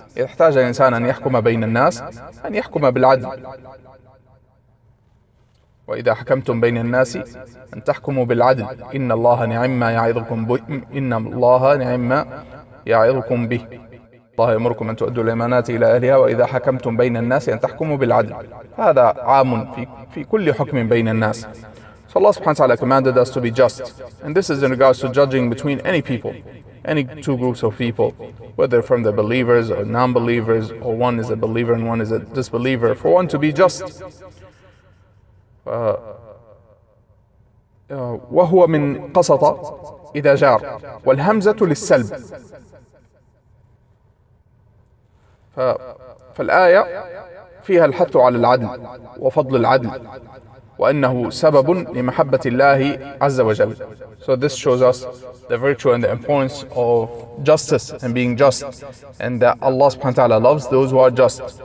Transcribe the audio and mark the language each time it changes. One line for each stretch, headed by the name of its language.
Arabic: يحتاج الإنسان أن يحكم بين الناس أن يحكم بالعدل، وإذا حكمتم بين الناس أن تحكموا بالعدل، إن الله نعم يعظكم به، إن الله نعم يعظكم به، الله يأمركم أن تؤدوا الأمانات إلى أهلها، وإذا حكمتم بين الناس أن تحكموا بالعدل. هذا عام في كل حكم بين الناس.
English: So Allah سبحانه وتعالى commanded us to be just, and this is in regards to judging between any people, any two groups of people, whether from the believers or non-believers, or one is a believer and one is a disbeliever, for one to be just.
Arabic: وهو من قسط إذا جار، والهمزة للسلب. فالآية فيها الحث على العدل وفضل العدل وأنه سبب لمحبة الله عز وجل.
English: So this shows us the virtue and the importance of justice and being just, and that Allah سبحانه وتعالى loves those who are just.